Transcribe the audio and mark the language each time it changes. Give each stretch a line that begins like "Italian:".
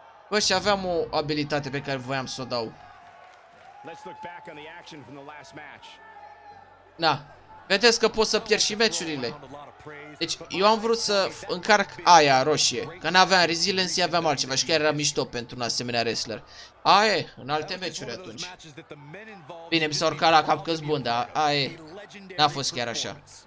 Romanian: Bă, și aveam o abilitate pe care voiam să o dau.
English: Let's look back on the action from the last match.
Romanian: Na, vedeți că pot să pierd și meciurile. Deci eu am vrut să încarc aia roșie. Că n-aveam resiliency, aveam altceva. Și chiar era mișto pentru un asemenea wrestler. Aia e, în alte meciuri atunci. Bine, mi s-a urcat la cap că-s bun, dar aia e. N-a fost chiar așa.